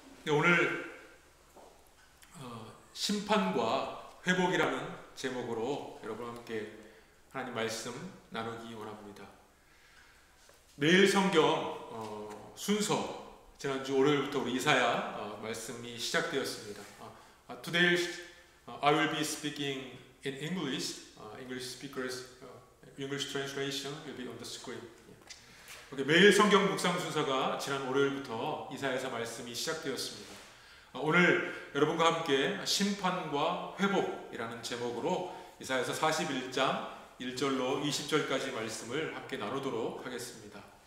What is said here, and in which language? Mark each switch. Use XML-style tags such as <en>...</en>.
<ko>오늘 심판과 회복이라는 제목으로 여러분과 함께 하나님 말씀 나누기 원합니다. 매일 성경 순서, 지난주 월요일부터 우리 이사야 말씀이 시작되었습니다.</ko> <en>Today I will be speaking in English. English speakers, English translation will be on the screen.</en> <ko>Okay, 매일 성경 묵상 순서가 지난 월요일부터 이사야서 말씀이 시작되었습니다. 오늘 여러분과 함께 심판과 회복이라는 제목으로 이사야서 41장 1절로 20절까지 말씀을 함께 나누도록 하겠습니다.</ko>